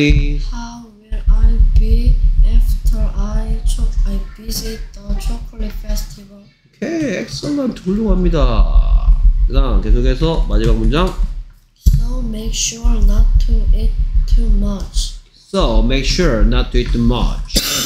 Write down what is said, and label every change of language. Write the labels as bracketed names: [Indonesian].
[English] How will I be after I visit the chocolate festival? Okay. Excellent! [Korean] 훌륭합니다. 그 다음 계속해서 마지막 문장. [English] So make sure not to eat too much. So make sure not to eat too much.